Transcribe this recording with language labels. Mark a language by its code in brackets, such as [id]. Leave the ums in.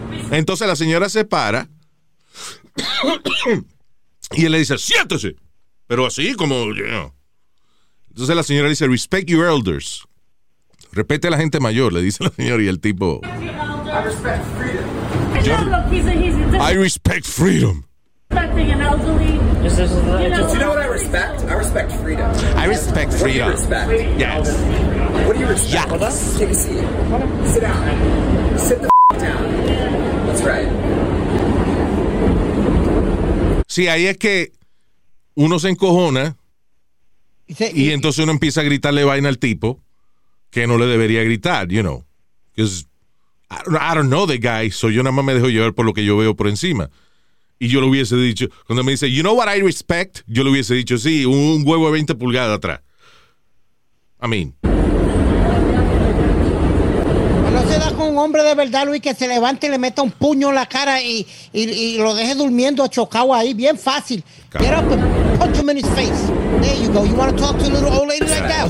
[es] Entonces la señora se para y él le dice, siéntese. Pero así como... Yeah. Entonces la señora dice, [en] respect your elders. [es] Repete a la gente mayor, le dice la señora y el tipo... [en] I respect freedom. I, easy, easy, I respect freedom. Is sí, this the, you know, do you know what I respect? I respect freedom. I respect freedom. What do you respect? Wait, yes. What do you respect? Yes. us? Take a Sit down. Sit the down. That's right. [es] See, ahí es que uno se encojona. Y entonces uno empieza a gritarle vaina al tipo que no le debería gritar, [en] you know. I don't know the guy, [es] so yo nada más me dejo llevar por lo que yo veo por encima y yo lo hubiese dicho, cuando me dice, [en] you know what I respect, [es] yo lo hubiese dicho, sí, un huevo de 20 pulgadas atrás. [en] I mean. [es] No bueno, se da con un hombre de verdad, Luis, que se levante y le meta un puño en la cara y, y, y lo deje durmiendo a chocado ahí, bien fácil. Caramba. [en] Get up and punch him in his face. There you go. You want to talk to a little old lady like that?